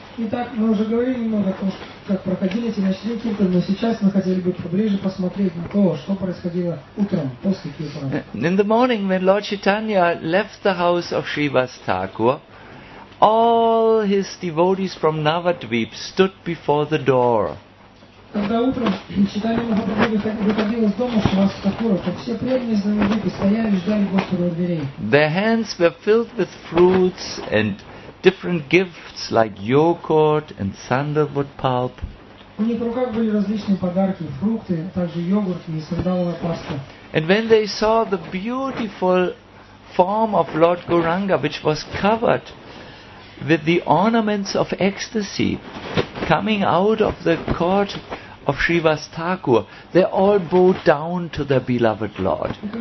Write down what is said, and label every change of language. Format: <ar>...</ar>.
<ru>Итак, мы уже говорили немного о том, как проходили эти ночные киртаны, но сейчас мы хотели бы поближе посмотреть на то, что происходило утром после киртана.</ru> <en>In the morning when Lord Chaitanya left the house of Srivas Thakur, all his devotees from Navadvip stood before the door.</en> <ru>Когда утром Чайтанья Махапрабху выходил из дома Шривас Такура, то все преданные из Навадвипа стояли и ждали Господа у дверей.</ru> <en>Their hands were filled with fruits and different gifts like yogurt and sandalwood pulp.</en> <ru>У них в руках были различные подарки, фрукты, также йогурт и сандаловая паста.</ru> <en>And when they saw the beautiful form of Lord Gauranga, which was covered with the ornaments of ecstasy, coming out of the court of Srivas Thakur, they all bowed down to their beloved Lord.</en>